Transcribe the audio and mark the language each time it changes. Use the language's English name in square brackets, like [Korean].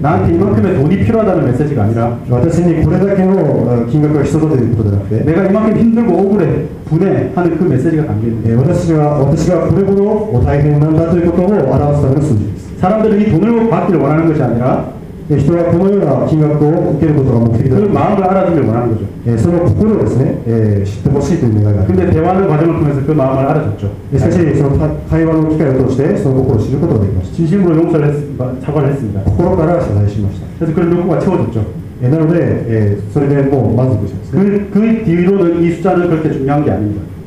[Korean] 나한테 이만큼의 돈이 필요하다는 메시지가 아니라, [Japanese] 私にこれだけの金額が必要だということではなくて、 [Korean] 내가 이만큼 힘들고 억울해 분해 하는 그 메시지가 담겨 있는. [Japanese] 私がこれほど大変なんだということを表すための数字です。 [Korean] 사람들은 이 돈을 받기를 원하는 것이 아니라, [Japanese] 人はこのような金額を受けることが目的だ。 [Korean] 그 마음을 알아주길 원하는 거죠. [Japanese] その心をですね、知ってほしいという願いが。 [Korean] 근데 대화하는 과정을 통해서 그 마음을 알아줬죠. [Japanese] しかし、その会話の機会を通して、その心を知ることができました。 [Korean] 진심으로 사과를 했습니다. [Japanese] 心から謝罪しました。 [Korean] 그래서 그런 욕구가 채워졌죠. [Japanese] なので、それでもう満足しました。 [Korean] 그 뒤로는 이 숫자는 그렇게 중요한 게 아닙니다.